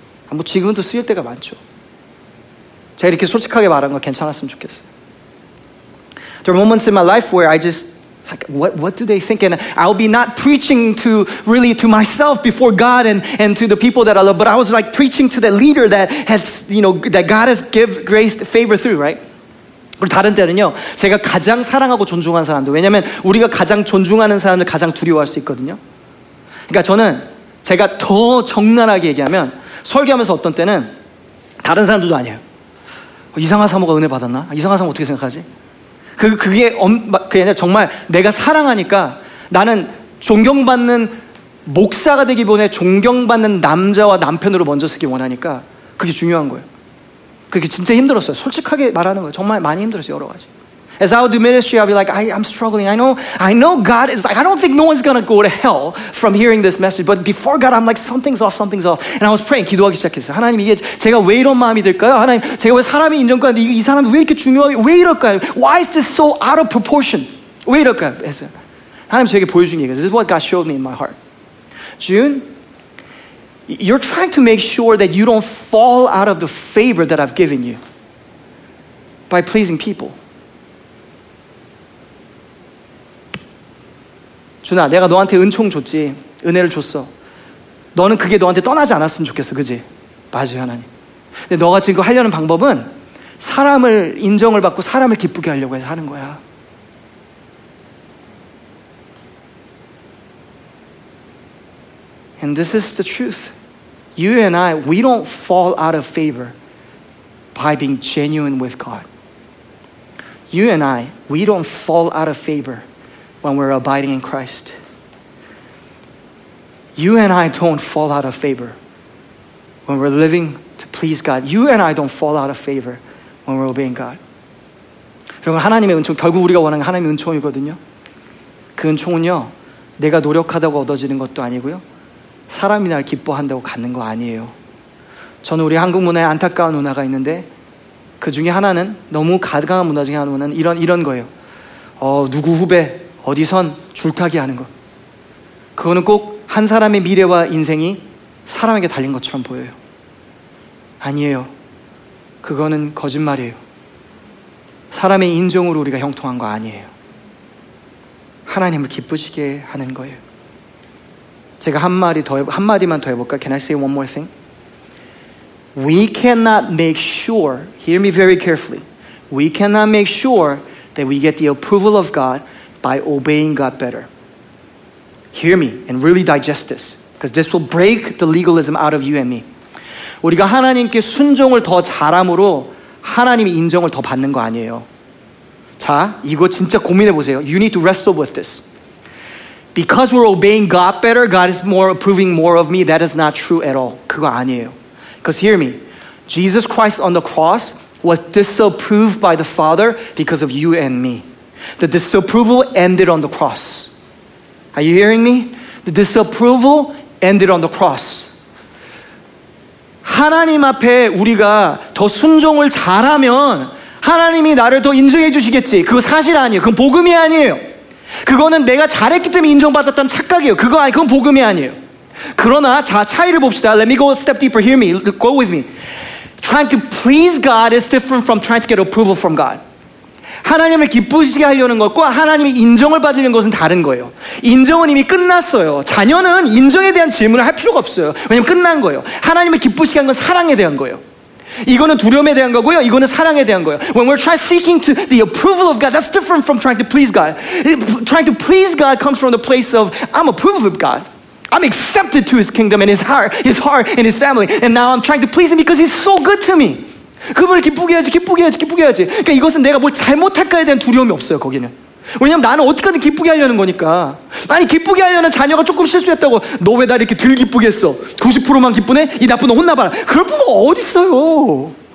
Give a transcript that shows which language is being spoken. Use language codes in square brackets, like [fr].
[ko] 뭐 지금도 쓰일 때가 많죠. 제가 이렇게 솔직하게 말한 거 괜찮았으면 좋겠어요. [en] There are moments in my life where I just like, what do they think? And I'll be not preaching to really to myself before God and to the people that I love, but I was like preaching to the leader that had, you know, that God has given grace favor through, right? [ko] 그리고 다른 때는요, 제가 가장 사랑하고 존중하는 사람들, 왜냐면 우리가 가장 존중하는 사람을 가장 두려워할 수 있거든요. 그러니까 저는 제가 더 적나라하게 얘기하면, 설교하면서 어떤 때는 다른 사람들도 아니에요. 이상한 사모가 은혜 받았나? 이상한 사모 어떻게 생각하지? 그게 정말 내가 사랑하니까 나는 존경받는 목사가 되기 전에 존경받는 남자와 남편으로 먼저 쓰기 원하니까 그게 중요한 거예요. 그게 진짜 힘들었어요. 솔직하게 말하는 거예요. 정말 많이 힘들었어요. 여러 가지. [en] As I would do ministry, I'd be like, I'm struggling. I know God is like, I don't think no one's gonna go to hell from hearing this message. But before God, I'm like, something's off. And I was praying, [ko] 기도하기 시작했어요. 하나님, 이게 제가 왜 이런 마음이 들까요? 하나님, 제가 왜 사람이 인정받는데 이 사람이 왜 이렇게 중요하게, 왜 이럴까요? [en] Why is this so out of proportion? [ko] 왜 이럴까요? 했어요. 하나님, 저에게 보여준 얘기가, [en] this is what God showed me in my heart. June, you're trying to make sure that you don't fall out of the favor that I've given you by pleasing people. [ko] 준아, 내가 너한테 은총 줬지. 은혜를 줬어. 너는 그게 너한테 떠나지 않았으면 좋겠어. 그지? 맞아요, 하나님. 근데 너가 지금 하려는 방법은 사람을 인정을 받고 사람을 기쁘게 하려고 해서 하는 거야. [en] And this is the truth. You and I, we don't fall out of favor by being genuine with God. You and I, we don't fall out of favor when we're abiding in Christ. You and I don't fall out of favor when we're living to please God. You and I don't fall out of favor when we're obeying God. [ko] 여러분, 하나님의 은총, 결국 우리가 원하는 게 하나님의 은총이거든요. 그 은총은요, 내가 노력하다고 얻어지는 것도 아니고요, 사람이 날 기뻐한다고 갖는 거 아니에요. 저는 우리 한국 문화에 안타까운 문화가 있는데 그 중에 하나는, 너무 가득한 문화 중에 하나는 이런 거예요. 누구 후배 어디선 줄타기 하는 것. 그거는 꼭 한 사람의 미래와 인생이 사람에게 달린 것처럼 보여요. 아니에요. 그거는 거짓말이에요. 사람의 인정으로 우리가 형통한 거 아니에요. 하나님을 기쁘시게 하는 거예요. 제가 한 마디 더 한 마디만 더 해볼까? [en] Can I say one more thing? We cannot make sure. Hear me very carefully. We cannot make sure that we get the approval of God by obeying God better. Hear me and really digest this, because this will break the legalism out of you and me. [ko] 우리가 하나님께 순종을 더 잘함으로 하나님의 인정을 더 받는 거 아니에요. 자, 이거 진짜 고민해 보세요. [en] You need to wrestle with this. Because we're obeying God better, God is more approving more of me. That is not true at all. [ko] 그거 아니에요. [en] Because hear me, Jesus Christ on the cross was disapproved by the Father because of you and me. The disapproval ended on the cross. Are you hearing me? The disapproval ended on the cross. [ko] 하나님 앞에 우리가 더 순종을 잘하면 하나님이 나를 더 인정해 주시겠지. 그거 사실 아니에요. 그건 복음이 아니에요. 그거는 내가 잘했기 때문에 인정받았다는 착각이에요. 그거 아니에요. 그건 복음이 아니에요. 그러나 자 차이를 봅시다. [en] Let me go a step deeper. Hear me. Go with me. Trying to please God is different from trying to get approval from God. [ko] 하나님을 기쁘시게 하려는 것과 하나님의 인정을 받으려는 것은 다른 거예요. 인정은 이미 끝났어요. 자녀는 인정에 대한 질문을 할 필요가 없어요. 왜냐면 끝난 거예요. 하나님을 기쁘시게 한 건 사랑에 대한 거예요. 이거는 두려움에 대한 거고요. 이거는 사랑에 대한 거예요. [en] When we're trying seeking to the approval of God, that's different from trying to please God. Trying to please God comes from the place of I'm approved of God. I'm accepted to his kingdom and his heart and his family. And now I'm trying to please him because he's so good to me. [ko] 그분을 기쁘게 해야지, 기쁘게 해야지, 기쁘게 해야지. 그러니까 이것은 내가 뭘 잘못할까에 대한 두려움이 없어요, 거기는. 왜냐면 나는 어떻게든 기쁘게 하려는 거니까. 아니, 기쁘게 하려는 자녀가 조금 실수했다고 너 왜 나 이렇게 덜 기쁘게 했어? 90%만 기쁘네? 이 나쁜 놈 혼나봐라. 그럴 뿐만 어딨어요.